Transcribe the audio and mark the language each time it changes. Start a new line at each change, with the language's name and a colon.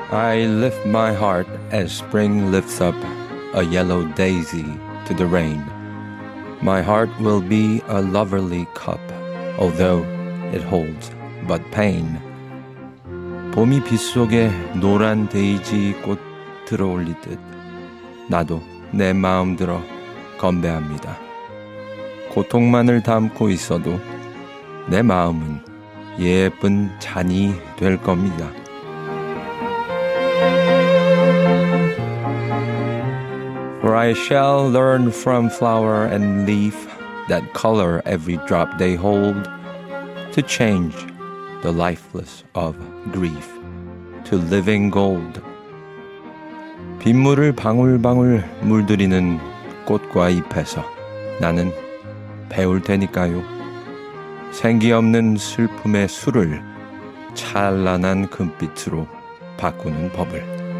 English: I lift my heart as spring lifts up a yellow daisy to the rain. My heart will be a loverly cup, although it holds but pain.
Korean: 봄이 빗속에 노란 데이지 꽃 들어올리듯 나도 내 마음 들어 건배합니다. 고통만을 담고 있어도 내 마음은 예쁜 잔이 될 겁니다.
English: For I shall learn from flower and leaf that color every drop they hold to change the lifeless of grief to living gold.
Korean: 빗물을 방울방울 물들이는 꽃과 잎에서 나는 배울 테니까요. 생기 없는 슬픔의 술을 찬란한 금빛으로 바꾸는 법을.